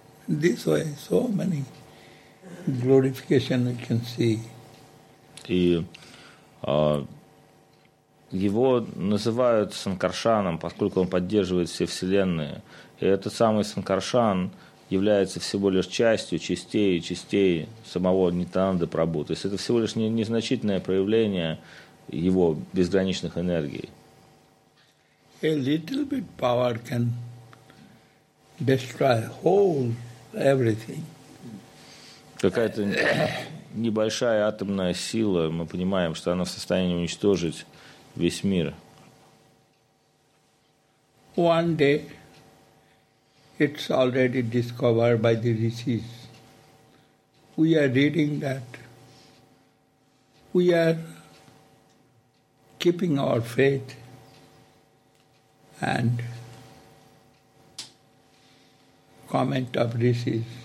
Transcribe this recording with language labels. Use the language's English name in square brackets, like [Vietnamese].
[English] This way, so many glorification we can see. [Russian] И его называют Санкаршаном, поскольку он поддерживает все вселенные. И этот самый Санкаршан является всего лишь частью, частей самого Нитянанды Прабху. То есть это всего лишь незначительное проявление его безграничных энергий. [English] A little bit power can destroy whole everything. [Russian] Какая-то небольшая атомная сила, мы понимаем, что она в состоянии уничтожить весь мир. [English] One day it's already discovered by the rishis. We are reading that. We are keeping our faith and comment of rishis.